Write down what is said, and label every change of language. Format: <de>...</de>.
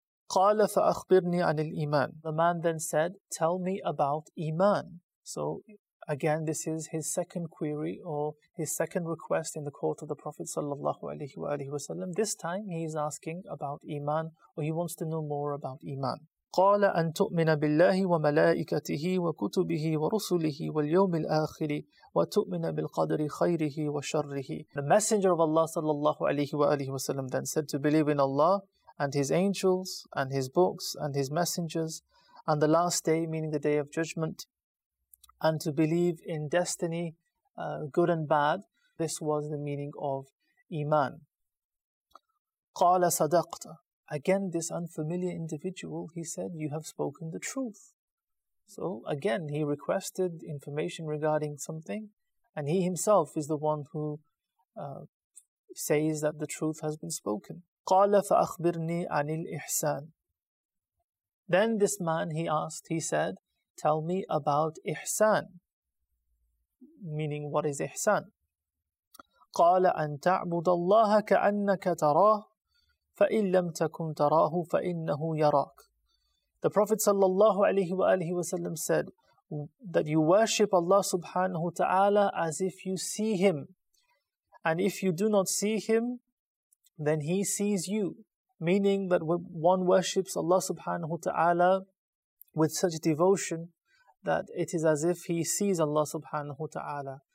<ar>قال فأخبرني عن الإيمان.</ar> <en>The man then said, tell me about Iman. So again, this is his second query or his second request in the court of the Prophet sallallahu alaihi wa alihi wasallam. This time he is asking about Iman, or he wants to know more about Iman.</en> <ar>قال أن تؤمن بالله وملائكته وكتبه ورسله واليوم الآخر وتؤمن بالقدر خيره وشره.</ar> <en>The Messenger of Allah sallallahu alaihi wa alihi wasallam then said, to believe in Allah and His angels and His books and His messengers and the last day, meaning the day of judgment, and to believe in destiny, good and bad. This was the meaning of Iman.</en> <ar>قَالَ صَدَقْتَ.</ar> <en>Again, this unfamiliar individual, he said, you have spoken the truth. So again, he requested information regarding something, and he himself is the one who says that the truth has been spoken.</en> <ar>قَالَ فَأَخْبِرْنِي عَنِ الْإِحْسَانِ.</ar> <en>Then this man, he asked, he said, tell me about Ihsan, meaning what is Ihsan.</en> <ar>قال أن تعبد الله كأنك تراه فإن لم تكن تراه فإنه يراك.</ar> <en>The Prophet sallallahu alaihi wa alihi wasallam said that you worship Allah subhanahu wa ta'ala as if you see Him, and if you do not see Him, then He sees you, meaning that one worships Allah subhanahu wa ta'ala with such devotion that it is as if he sees Allah subhanahu wa ta'ala.</en>